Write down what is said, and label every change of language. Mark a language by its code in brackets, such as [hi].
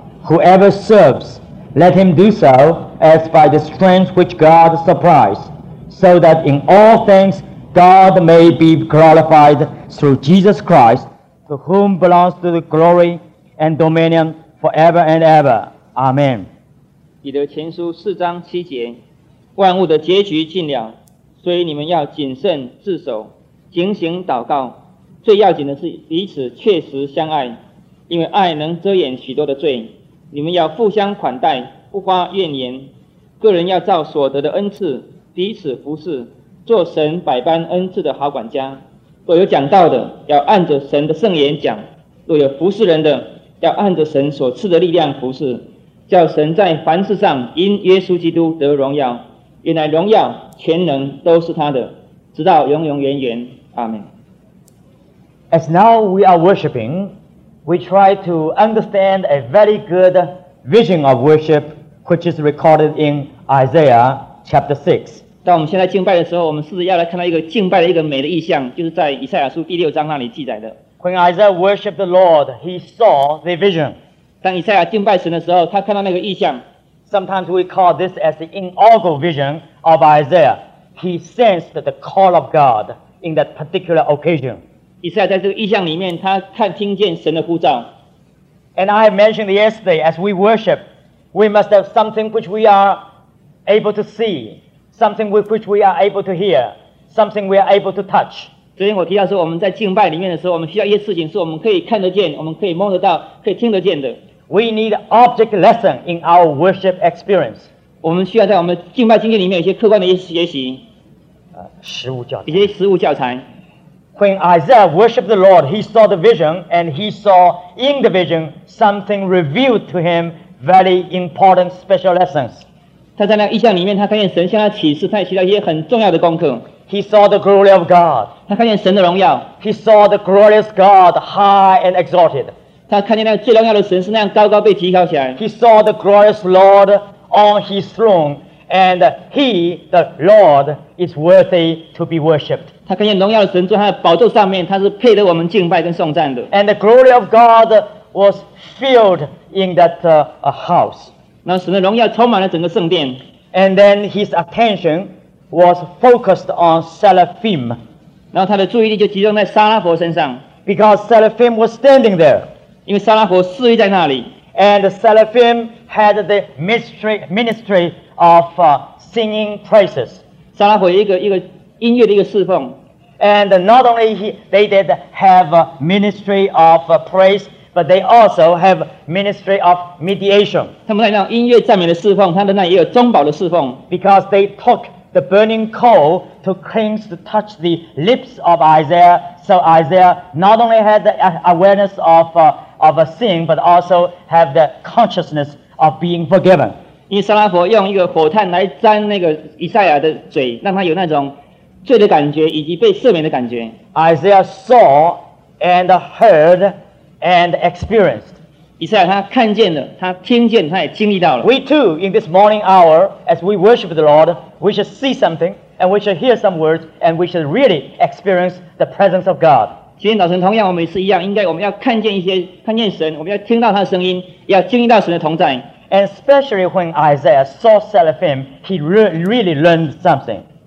[en] Whoever serves, let him do so as by the strength which God supplies, so that in all things God may be glorified through Jesus Christ, to whom belongs to the glory and dominion forever and ever. Amen. [zh] 彼得前书四章七节，万物的结局尽了，所以你们要谨慎自守，警醒祷告。最要紧的是彼此确实相爱，因为爱能遮掩许多的罪。你们要互相款待，不发怨言。个人要照所得的恩赐彼此服侍，做神百般恩赐的好管家。若有讲道的，要按着神的圣言讲；若有服侍人的，要按着神所赐的力量服侍。叫神在凡事上因耶稣基督得荣耀，原来荣耀全能都是他的，直到永永远远。阿们。 [en] As now we are worshiping, we try to understand a very good vision of worship, which is recorded in Isaiah chapter 6. [zh] 当我们现在敬拜的时候，我们试着要来看到一个敬拜的一个美的意象，就是在以赛亚书第六章那里记载的。 [en] When Isaiah worshipped the Lord, he saw the vision. [zh] 当以赛亚敬拜神的时候，他看到那个异象。 [en] Sometimes we call this as the inaugural vision of Isaiah. He sensed the call of God in that particular occasion. [zh] 以赛在这个意象里面，他看听见神的呼召。 [en] And I have mentioned yesterday, as we worship, we must have something which we are able to see, something with which we are able to hear, something we are able to touch. [zh] 昨天我提到说，我们在敬拜里面的时候，我们需要一些事情是我们可以看得见，我们可以摸得到，可以听得见的。 [en] We need an object lesson in our worship experience. [zh] 我们需要在我们敬拜经验里面有些客观的一些学习，实物教材，一些实物教材。 [en] When Isaiah worshipped the Lord, he saw the vision, and he saw in the vision something revealed to him very important special lessons. [zh] 他在那意象里面，他看见神向他启示，他也学到一些很重要的功课。 [en] He saw the glory of God. [zh] 他看见神的荣耀。 [en] He saw the glorious God, high and exalted. [zh] 他看见那最荣耀的神是那样高高被提高起来。 [en] He saw the glorious Lord on His throne, and He, the Lord, is worthy to be worshipped. [zh] 他看见荣耀的神坐在宝座上面，他是配得我们敬拜跟颂赞的。 [en] And the glory of God was filled in that house. [zh] 那神的荣耀充满了整个圣殿。 [en] And then His attention. Was focused on Seraphim. [zh] 然后他的注意力就集中在撒拉佛身上。 [en] Because Seraphim was standing there. [zh] 因为撒拉佛侍立在那里。 [en] And Seraphim had the ministry of singing praises. [zh] 撒拉佛有一个音乐的一个侍奉。 [en] And not only they did have a ministry of praise, but they also have ministry of mediation. [zh] 他们在那音乐赞美的侍奉，他们那也有中保的侍奉。 [en] Because they talkThe burning coal to cleanse to touch the lips of Isaiah, so Isaiah not only had the awareness of a sin, but also had the consciousness of being forgiven. [zh] 因为撒拉佛用一个火炭来沾那个以赛亚的嘴，让他有那种罪的感觉以及被赦免的感觉。 [en] Isaiah saw and heard and experienced. [zh] 以赛亚他看见了，他听见，他也经历到了。 [en] We too, in this morning hour, as we worship the Lord, we should see something, and we should hear some words, and we should really experience the presence of God. [zh] 今天早晨同样，我们也是一样，应该我们要看见一些，看见神，我们要听到他的声音，要经历到神的同在。 [en] And especially when Isaiah saw Seraphim, he really learned something.